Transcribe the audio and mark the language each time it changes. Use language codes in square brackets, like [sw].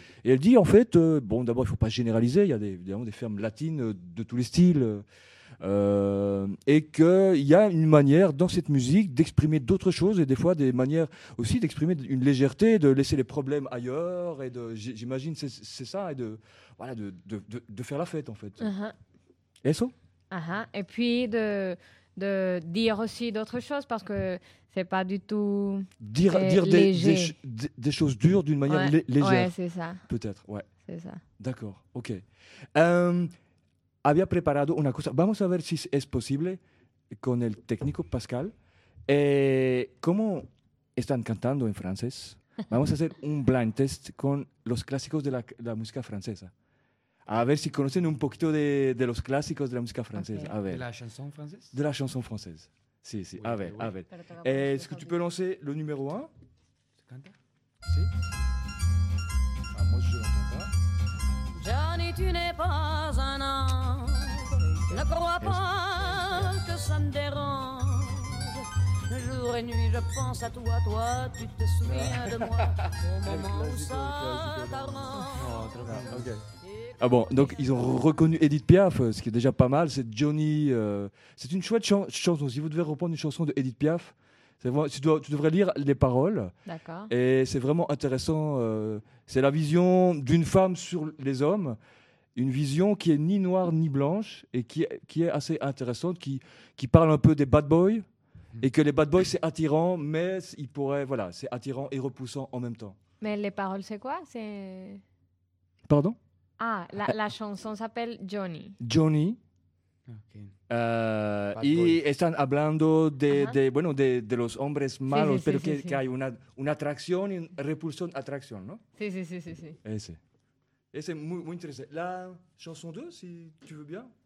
[fr] Et elle dit, en fait, bon, d'abord, il ne faut pas généraliser, il y a évidemment des femmes latines de tous les styles, et qu'il y a une manière dans cette musique d'exprimer d'autres choses, et des fois des manières aussi d'exprimer une légèreté, de laisser les problèmes ailleurs, et de, j'imagine, c'est ça, et de, voilà, de faire la fête, en fait. [es] Eso? [fr] Et puis de dire aussi d'autres choses, parce que c'est pas du tout dire des choses dures d'une manière légère. Ouais, c'est ça. Peut-être, ouais. C'est ça. D'accord, ok. [es] Había preparado una cosa. Vamos a ver si es posible con el técnico Pascal. ¿Cómo están cantando en francés? Vamos a hacer un blind test con los clásicos de la música francesa. A ver si conocen un poquito de los clásicos de la música francesa. Okay. A ver. [fr] ¿De la chanson française? De la chanson française. [es] Sí, sí. [fr] Oui, [es] a ver. ¿Es que tú puedes lanzar el número 1? ¿Se canta? Sí. Vamos, yo lo entiendo. [fr] Johnny, tu n'es pas un ange. Ne crois pas que ça me dérange. Jour et nuit, je pense à toi, toi, tu te souviens de moi. Au moment où ça t'arrange. Ok. Ah bon, donc ils ont reconnu Edith Piaf, ce qui est déjà pas mal. C'est Johnny. C'est une chouette chanson. Si vous devez reprendre une chanson de Edith Piaf, tu devrais lire les paroles. D'accord. Et c'est vraiment intéressant. C'est la vision d'une femme sur les hommes. Une vision qui est ni noire ni blanche et qui est assez intéressante, qui parle un peu des bad boys. Et que les bad boys, c'est attirant, mais ils pourraient. Voilà, c'est attirant et repoussant en même temps. Mais les paroles, c'est quoi? C'est. Pardon? Ah, la chanson s'appelle Johnny. Johnny. Okay. [es] Y están hablando de los hombres malos, sí, sí, pero sí, que hay una atracción y repulsión, atracción, ¿no? Sí, sí, sí, sí, sí. Ese es muy, muy interesante. [fr] La chanson 2, si tú veux bien.